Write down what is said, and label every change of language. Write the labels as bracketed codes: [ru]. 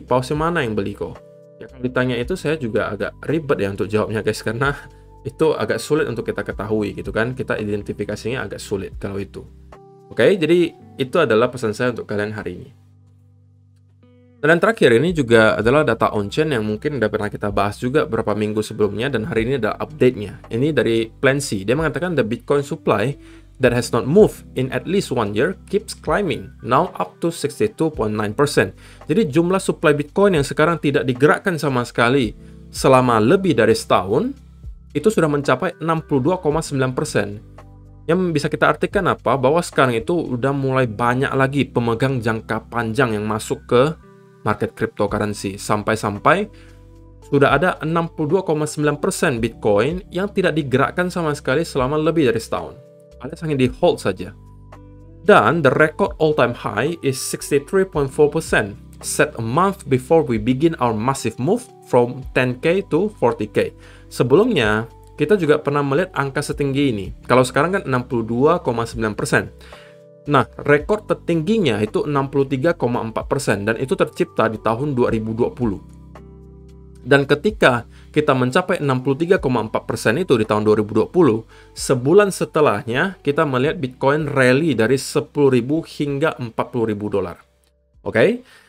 [id] Pause mana yang beli kok? Ya, kalau ditanya itu saya juga agak ribet ya untuk jawabnya, guys, karena itu agak sulit untuk kita ketahui gitu kan. Kita identifikasinya agak sulit kalau itu. Oke, jadi itu adalah pesan saya untuk kalian hari ini. Dan yang terakhir ini juga adalah data on-chain yang mungkin udah pernah kita bahas juga beberapa minggu sebelumnya, dan hari ini adalah update-nya. Ini dari Plansee. Dia mengatakan [en] the Bitcoin supply that has not moved in at least one year keeps climbing, now up to 62.9%. [id] Jadi jumlah supply Bitcoin yang sekarang tidak digerakkan sama sekali selama lebih dari setahun itu sudah mencapai 62.9%. Yang bisa kita artikan apa? Bahwa sekarang itu udah mulai banyak lagi pemegang jangka panjang yang masuk ke market cryptocurrency, sampai-sampai sudah ada 62.9% Bitcoin yang tidak digerakkan sama sekali selama lebih dari setahun, alias hanya di hold saja. Dan [en] the record all time high is 63.4% set a month before we begin our massive move from 10k to 40k. [id] Sebelumnya kita juga pernah melihat angka setinggi ini, kalau sekarang kan 62.9%. Nah, rekor tertingginya itu 63.4% dan itu tercipta di tahun 2020. Dan ketika kita mencapai 63.4% itu di tahun 2020, sebulan setelahnya kita melihat Bitcoin rally dari 10.000 hingga $40.000. Oke?